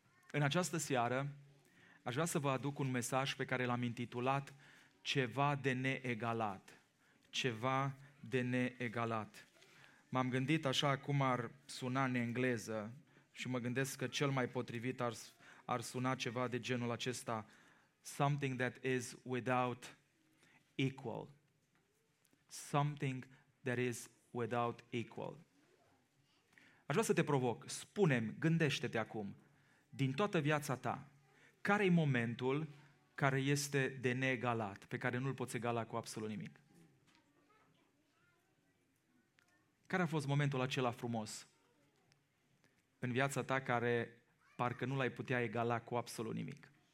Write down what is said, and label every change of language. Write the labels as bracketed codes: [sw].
[ro] În această seară aș vrea să vă aduc un mesaj pe care l-am intitulat Ceva de neegalat. Ceva de neegalat. M-am gândit așa cum ar suna în engleză și mă gândesc că cel mai potrivit ar suna ceva de genul acesta. [en] Something that is without equal. Something that is without equal. [ro] Aș vrea să te provoc, spune-mi, gândește-te acum, din toată viața ta, care-i momentul care este de neegalat, pe care nu-l poți egala cu absolut nimic? Care a fost momentul acela frumos în viața ta care parcă nu l-ai putea egala cu absolut nimic?